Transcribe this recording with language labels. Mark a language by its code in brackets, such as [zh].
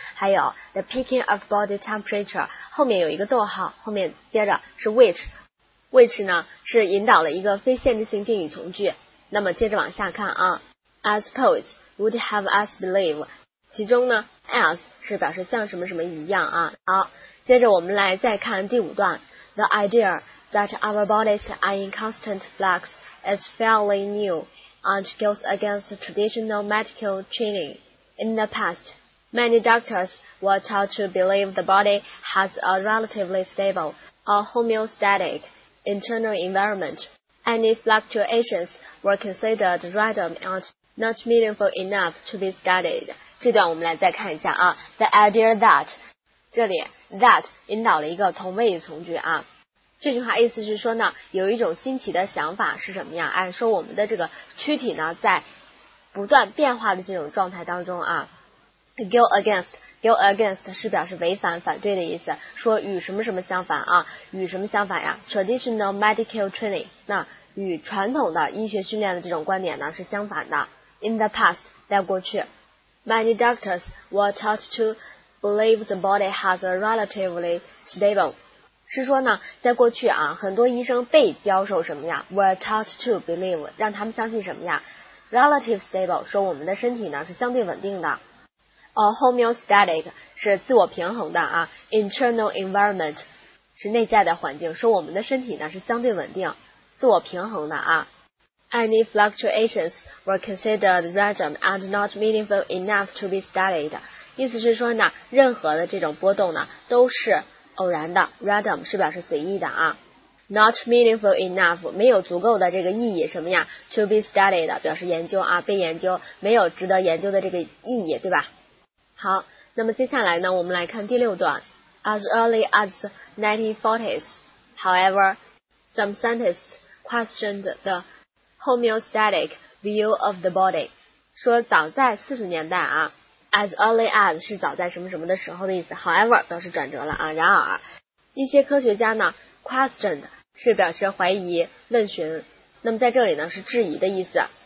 [zh] 还有 [en] the peaking of body temperature [zh] 后面有一个逗号，后面接着是 which 呢是引导了一个非限制性定语从句。那么接着往下看啊。 [en] As poets would have us believe, [zh] 其中呢 as 是表示像什么什么一样啊。好，接着我们来再看第五段。 [en] The idea that our bodies are in constant flux is fairly new and goes against traditional medical training. In the past, many doctors were taught to believe the body has a relatively stable or homeostatic internal environment. Any fluctuations were considered random andNot meaningful enough to be studied. [zh] 这段我们来再看一下啊。 [en] The idea that, [zh] 这里 that 引导了一个同位语从句啊。这句话意思是说呢，有一种新奇的想法是什么呀？哎，说我们的这个躯体呢，在不断变化的这种状态当中啊。 [en] Go against， go against [zh] 是表示违反、反对的意思，说与什么什么相反啊，与什么相反呀？ [en] Traditional medical training， [zh] 那与传统的医学训练的这种观点呢是相反的。 [en] In the past， [zh] 在过去， [en] many doctors were taught to believe the body has a relatively stable。 [zh] 是说呢，在过去啊，很多医生被教授什么呀？ [en] Were taught to believe， [zh] 让他们相信什么呀？ [en] Relative stable， [zh] 说我们的身体呢是相对稳定的。 A homeostatic 是自我平衡的啊， internal environment 是内在的环境，说我们的身体呢是相对稳定、自我平衡的啊。 [en] Any fluctuations were considered random and not meaningful enough to be studied。 [zh] 意思是说呢，任何的这种波动呢都是偶然的 ，random 是表示随意的啊。 [en] Not meaningful enough [zh] 没有足够的这个意义，什么呀 ？ [en] To be studied [zh] 表示研究啊，被研究，没有值得研究的这个意义，对吧？好，那么接下来呢，我们来看第六段。 [en] As early as 1940s, however, some scientists questioned the homeostatic view of the body. [zh] 说早在40年代啊 ，as early as 是早在什么什么的时候的意思。 However 表示转折了啊，然而，一些科学家呢 questioned 是表示怀疑、问询，那么在这里呢是质疑的意思。